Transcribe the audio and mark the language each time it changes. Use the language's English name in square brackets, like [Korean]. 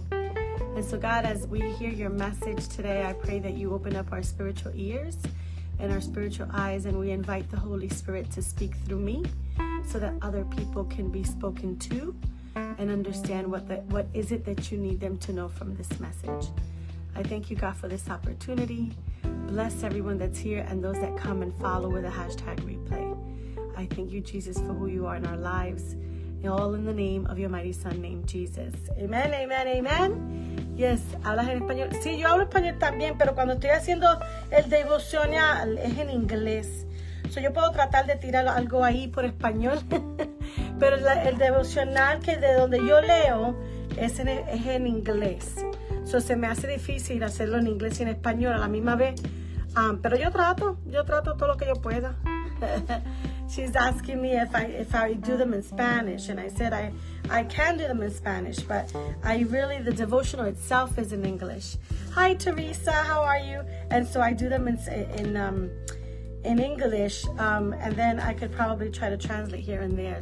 [English] And so, God, as we hear your message today, I pray that you open up our spiritual ears and our spiritual eyes, and we invite the Holy Spirit to speak through me so that other people can be spoken to and understand what is it that you need them to know from this message. I thank you, God, for this opportunity. Bless everyone that's here and those that come and follow with a hashtag replay. I thank you, Jesus, for who you are in our lives. All in the name of your mighty Son, named Jesus. Amen, amen, amen. Yes, [Spanish] hablas en español. Sí, yo hablo español también, pero cuando estoy haciendo el devocional es en inglés. So yo puedo tratar de tirar algo ahí por español. Pero el devocional que de donde yo leo es en inglés. So se me hace difícil hacerlo en inglés y en español a la misma vez. Pero yo trato todo lo que yo pueda. [English] She's asking me if I do them in Spanish, and I said I can do them in Spanish, but I really, the devotional itself is in English. Hi Teresa, how are you? And so I do them in English, and then I could probably try to translate here and there.